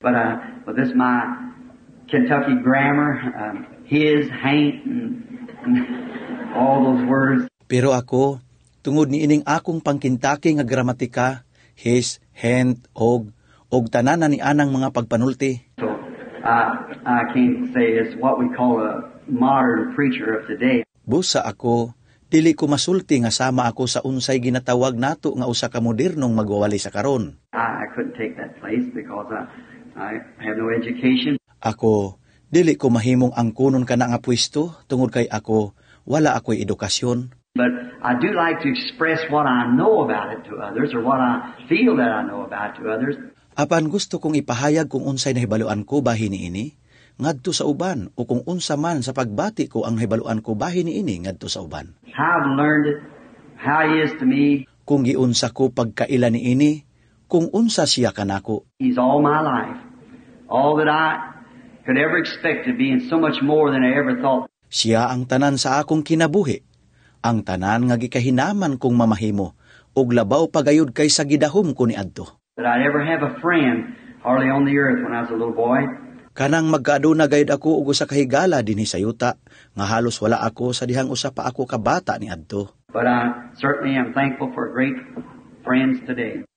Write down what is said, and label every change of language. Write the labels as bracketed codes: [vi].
[en] But this my Kentucky grammar, his, hate, and all those words. [ceb] Pero ako, tungod ni ining akong pangkintake nga gramatika, his, hand, og tanana ni anang mga pagpanulti. [en] So, I can't say it's what we call a modern preacher of today. [ceb] Busa ako, dili ko masulti nga sama ako sa unsay ginatawag nato nga usa ka modernong magwawali sa karon. [en] I couldn't take that place because I have no education. [ceb] Ako, dili ko mahimong angkunon kana nga pwesto tungod kay ako wala akoy edukasyon. [en] But I do like to express what I know about it to others or what I feel that I know about it to others. [ceb] Apan gusto kong ipahayag kung unsay nahibaluan ko bahin ni ini ngadto sa uban o kung unsa man sa pagbati ko ang nahibaluan ko bahin ni ini ngadto sa uban. [en] How I've learned it, how he is to me. [ceb] Kung giunsa ko pagkaila ni ini, kung unsa siya kanako. [en] He's all my life. All that I could ever expect to be and so much more than I ever thought. [ceb] Siya ang tanan sa akong kinabuhi. Ang tanan nga gikahinaman kong mamahimo og labaw pagayod kay sa gidahom ko ni adto. [en] That I never have a friend hardly on the earth when I was a little boy. [ceb] Kanang magaduna gayud ako og usa ka higala dinhi sa yuta nga halos wala ako sa dihang usa pa ako ka bata ni adto. [en] But I certainly am thankful for great friends today.